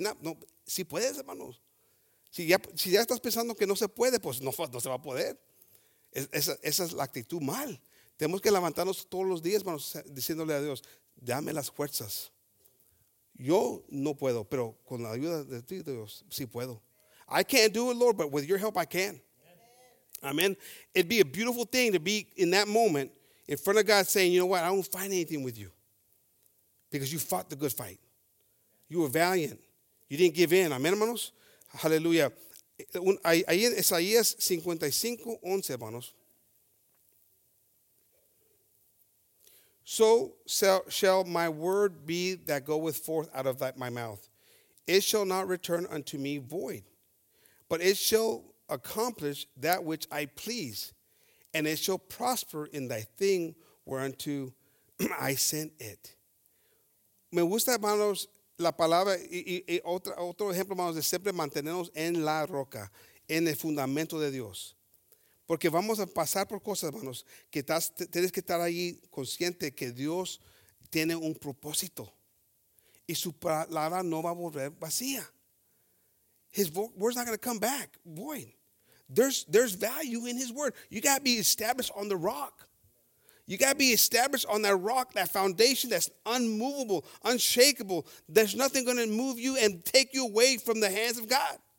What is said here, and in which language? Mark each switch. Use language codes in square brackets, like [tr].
[es] No, sí puedes, hermanos. Si ya estás pensando que no se puede, pues no se va a poder. Esa es la actitud mal. Tenemos que levantarnos todos los días, hermanos, diciéndole a Dios, dame las fuerzas Yo no puedo, pero con la ayuda de ti, Dios, sí puedo. [en] I can't do it, Lord, but with your help, I can. Amen. It'd be a beautiful thing to be in that moment in front of God saying, you know what, I don't find anything with you because you fought the good fight. You were valiant. You didn't give in. Amen, hermanos. Hallelujah. [es] Ahí en Isaías 55, 11, hermanos. [en] So shall my word be that goeth forth out of my mouth. It shall not return unto me void, but it shall accomplish that which I please, and it shall prosper in thy thing whereunto I sent it. [es] Me gusta, hermanos, la palabra y otro ejemplo, hermanos, de siempre mantenernos en la roca, en el fundamento de Dios. Porque vamos a pasar por cosas, hermanos, que tienes que estar ahí consciente que Dios tiene un propósito. Y su palabra no va a volver vacía. [en] His word's not going to come back void. There's value in his word. You got to be established on the rock. You got to be established on that rock, that foundation that's unmovable, unshakable. There's nothing going to move you and take you away from the hands of God. Amen.